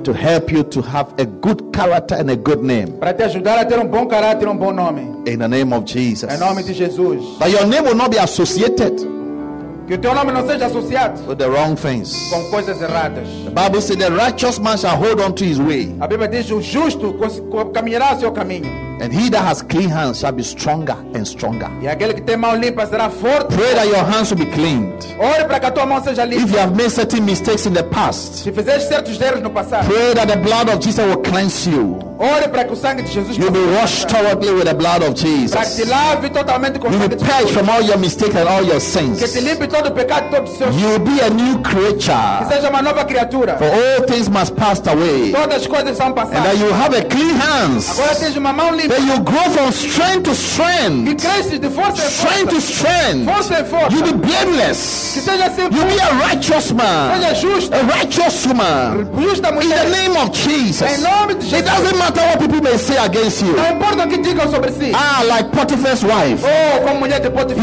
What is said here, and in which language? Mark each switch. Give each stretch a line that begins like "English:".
English: to help you to have a good character and a good name.
Portuguese: Para te ajudar a ter um bom caráter e um bom nome.
English: In the name of Jesus.
Portuguese: Em nome de Jesus.
English: That your name will not be associated.
Portuguese: Que o teu nome não seja associado
English: with the wrong things.
Portuguese: Com coisas erradas.
English: The Bible says the righteous man shall hold on to his way.
Portuguese: A Bíblia diz o justo caminhará seu caminho.
English: And he that has clean hands shall be stronger and stronger.
Portuguese: E aquele que tem mão limpa será forte.
English: Pray that your hands will be cleaned.
Portuguese: Ore para que a tua mão seja limpa.
English: If you have made certain mistakes in the past,
Portuguese: se fizeste certos erros no passado,
English: pray that the blood of Jesus will cleanse you.
Portuguese: Ore para que o sangue de Jesus
English: you'll be washed thoroughly with the blood of Jesus.
Portuguese: Para que te lave totalmente com
English: you will purge
Portuguese: Jesus.
English: From all your mistakes and all your sins.
Portuguese: Que te limpe todo o pecado, todo o seu.
English: You'll be a new creature.
Portuguese: Que seja uma nova criatura.
English: For all things must pass away.
Portuguese: Todas as coisas são passadas.
English: And that you have a clean hands.
Portuguese: Agora tens uma mão limpa.
English: That you grow from strength to strength.
Portuguese: De força em força.
English: Strength to strength.
Portuguese: Força em força.
English: You'll be blameless.
Portuguese: Que seja sempre.
English: You'll be a righteous man.
Portuguese: Seja justo.
English: A righteous woman.
Portuguese: Justa mulher.
English: In the name of Jesus.
Portuguese: Em nome de Jesus.
English: It doesn't matter what people may say against you.
Portuguese: Não importa o que digam sobre si.
English: Ah, like Potiphar's wife.
Portuguese: Oh, como mulher de Potiphar.